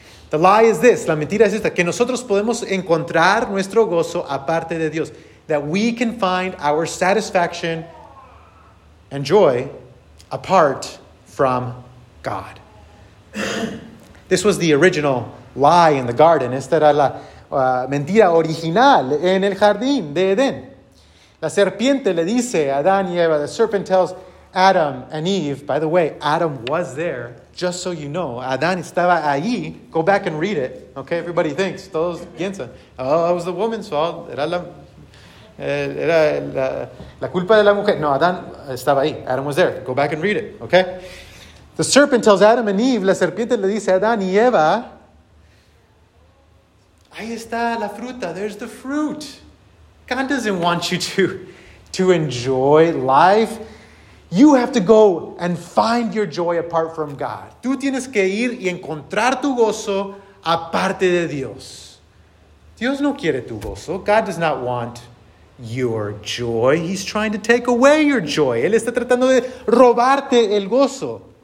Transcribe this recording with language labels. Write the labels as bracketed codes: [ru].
[en] The lie is this, [es] la mentira es esta, que nosotros podemos encontrar nuestro gozo aparte de Dios. [en] That we can find our satisfaction and joy apart from God. This was the original lie in the garden. [es] Esta era la mentira original en el jardín de Edén. La serpiente le dice a Adán y Eva, [en] the serpent tells Adam and Eve, by the way, Adam was there, just so you know. [es] Adán estaba ahí. [en] Go back and read it. Okay, everybody thinks. [es] Todos piensan. [en] Oh, it was the woman's fault. [es] Era la culpa de la mujer. No, Adán estaba ahí. [en] Adam was there. Go back and read it. Okay? The serpent tells Adam and Eve, [es] la serpiente le dice a Adán y Eva, ahí está la fruta. [en] There's the fruit. God doesn't want you to enjoy life. You have to go and find your joy apart from God. [es] Tú tienes que ir y encontrar tu gozo aparte de Dios. Dios no quiere tu gozo. [en] God does not want your joy. He's trying to take away your joy. [es] Él está tratando de robarte el gozo.